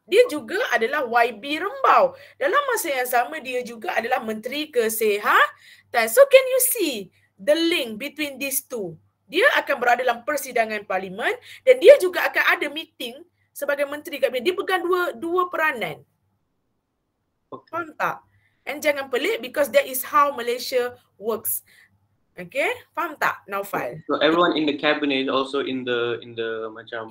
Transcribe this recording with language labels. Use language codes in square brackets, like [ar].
[ms] Dia juga adalah YB Rembau. Dalam masa yang sama, dia juga adalah Menteri Kesihatan. [en] So can you see the link between these two? [ms] Dia akan berada dalam persidangan parlimen dan dia juga akan ada meeting sebagai menteri kabinet. Dia pegang dua peranan. Okay. Faham tak? [en] And [ms] jangan pelik, [en] because that is how Malaysia works. [ms] Okay? Faham tak? [en] Now file. So everyone in the cabinet also in the macam